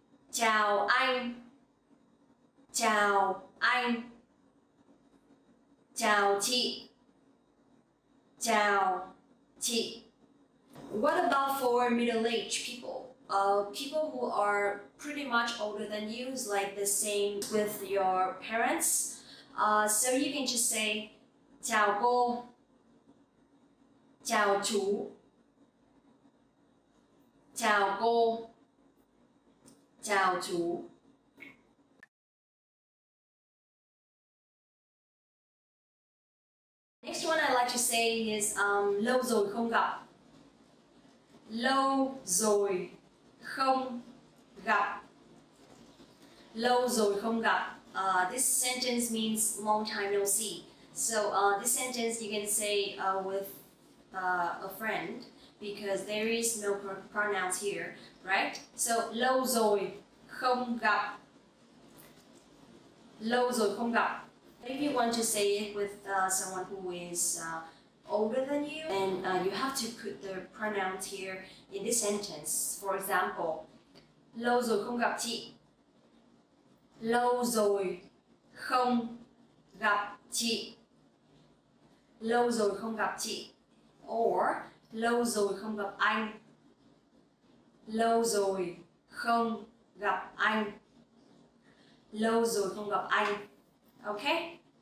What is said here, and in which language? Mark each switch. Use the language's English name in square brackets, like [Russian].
[Vietnamese] Chào anh. Chào anh. Chào chị. Chào chị. [English] What about for middle-aged people? People who are pretty much older than you, is like the same with your parents. So you can just say [Vietnamese] chào cô, chào chú, chào cô, Chào chú. [English] Next one I like to say is [Vietnamese] lâu rồi không gặp. Lâu rồi không gặp. Lâu rồi không gặp. [English] This sentence means long time no see. So this sentence you can say with a friend because there is no pronouns here, right? [Vietnamese] So lâu rồi không gặp. Lâu rồi không gặp. [English] If you want to say it with someone who is older than you, then you have to put the pronouns here in this sentence. For example, [Vietnamese] lâu rồi không gặp chị. Lâu rồi không gặp chị. Lâu rồi không gặp chị. Or lâu rồi không gặp anh. Lâu rồi không gặp anh. Lâu rồi không gặp anh. Okay?